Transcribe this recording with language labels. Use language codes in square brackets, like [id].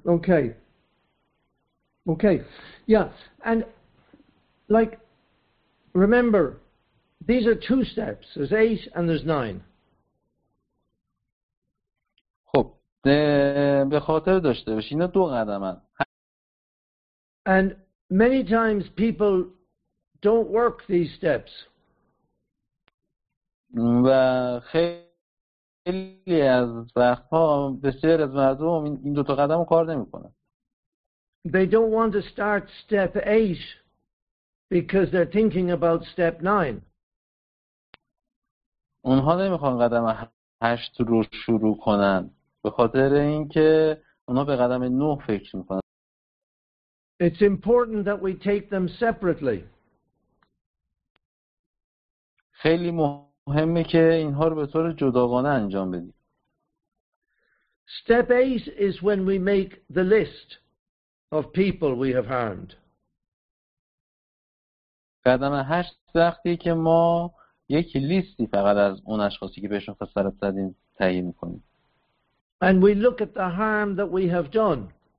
[en] Okay, and like, remember, these are two steps, there's 8 and there's 9. [fa] به خاطر داشته باشی اینا دو قدم هست. [en] And many times people don't work these steps. [fa] و خیلی از وقتها بسیار از مردم این دو تا قدم رو کار نمی‌کنن. [en] They don't want to start step 8 because they're thinking about step 9. [fa] اونها نمی‌خوان قدم 8 رو شروع کنن به خاطر اینکه اونها به قدم 9 فکر می‌کنن. [en] It's important that we take them separately. [fa] خیلی مهمه که اینها رو به طور جداگانه انجام بدیم. [en] Step 8 is when we make the list of people we have harmed. [fa] قدم 8 وقتی که ما یک لیستی فقط از اون اشخاصی که بهشون خسارت زدیم تعیین می‌کنیم. [en] And we look at the harm that we have done.